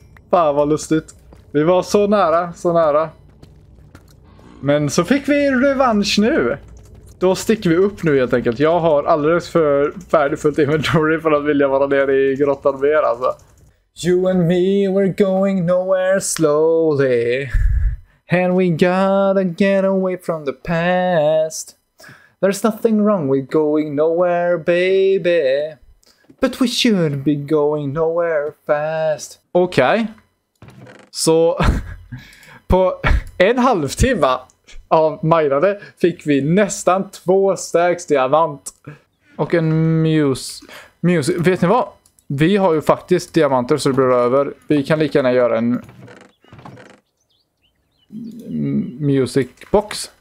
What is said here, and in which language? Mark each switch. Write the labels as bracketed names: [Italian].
[Swedish] Fan vad lustigt. Vi var så nära, så nära. Men så fick vi revansch nu. Då sticker vi upp nu helt enkelt. Jag har alldeles för färdigfullt inventory för att vilja vara nere i grottan mer alltså. [English] You and me, we're going nowhere slowly. And we gotta get away from the past. There's nothing wrong with going nowhere, baby. But we should be going nowhere fast. [Swedish] Okej. Okay. Så på en halvtimme av minade fick vi nästan 2 stacks diamant. Och en muse. Vet ni vad? Vi har ju faktiskt diamanter så det blir över. Vi kan lika gärna göra en music box.